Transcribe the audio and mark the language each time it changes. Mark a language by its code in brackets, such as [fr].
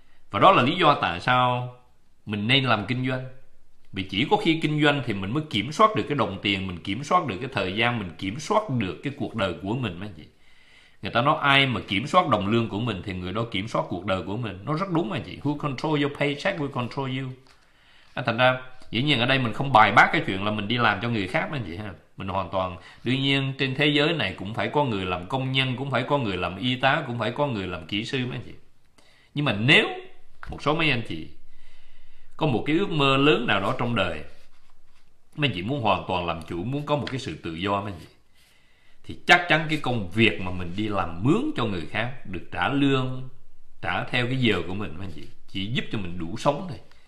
[vi] Và đó là lý do tại sao mình nên làm kinh doanh. Vì chỉ có khi kinh doanh thì mình mới kiểm soát được cái đồng tiền, mình kiểm soát được cái thời gian, mình kiểm soát được cái cuộc đời của mình mấy anh chị. Người ta nói ai mà kiểm soát đồng lương của mình thì người đó kiểm soát cuộc đời của mình. Nó rất đúng mấy anh chị. [en] Who control your paycheck will control you. [vi] Thành ra dĩ nhiên ở đây mình không bài bác cái chuyện là mình đi làm cho người khác mấy anh chị ha. Mình hoàn toàn, đương nhiên trên thế giới này cũng phải có người làm công nhân, cũng phải có người làm y tá, cũng phải có người làm kỹ sư mấy anh chị. Nhưng mà nếu một số mấy anh chị có một cái ước mơ lớn nào đó trong đời, mấy anh chị muốn hoàn toàn làm chủ, muốn có một cái sự tự do mấy anh chị, thì chắc chắn cái công việc mà mình đi làm mướn cho người khác, được trả lương, trả theo cái giờ của mình mấy anh chị, chỉ giúp cho mình đủ sống thôi.